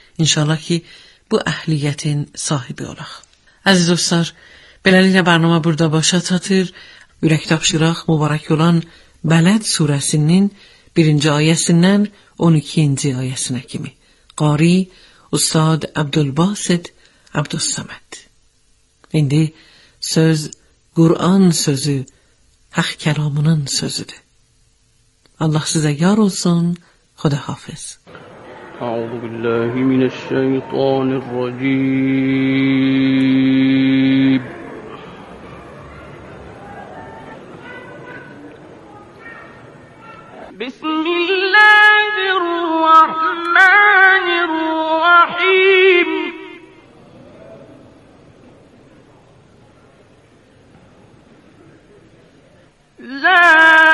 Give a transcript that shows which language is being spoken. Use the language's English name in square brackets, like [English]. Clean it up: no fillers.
[Azerbaijani] İnşallah ki, bu əhliyyətin sahibi olaq. Əziz dostlar, beləliklə bərnama burada başa çatır. Ürək tapşıraq, mübarək olan Bələd surəsinin 1-ci ayəsindən 12-ci ayəsinə kimi. Qari, Ustad Əbdülbasid Abdussamed. İndi söz Kur'an sözü, Hak kelamının sözüdür. Allah size yar olsun, Huda hafiz. [Arabic] أعوذ بالله من الشيطان الرجيم بسم الله الرحمن الرحيم لا